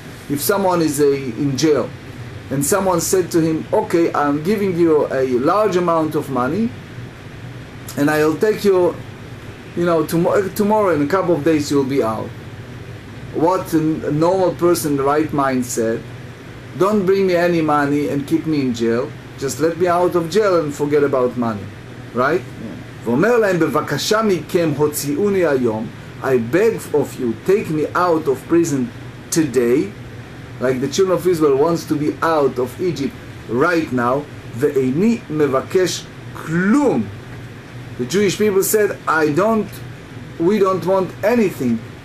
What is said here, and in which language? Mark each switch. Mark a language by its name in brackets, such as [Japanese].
[English] If someone is in jail, and someone said to him, okay, I'm giving you a large amount of money, and I'll take you, you know, tomorrow in a couple of days you'll be out. what a normal person, the right mindset. Don't bring me any money and keep me in jail. Just let me out of jail and forget about money. Right? [Hebrew] ואומר להם, בבקשה מכם, הוציאוני היום. [English] I beg of you, take me out of prison today. Like the children of Israel wants to be out of Egypt right now. [Hebrew] ואיני מבקש כלום. [English] The Jewish people said, we don't want anything.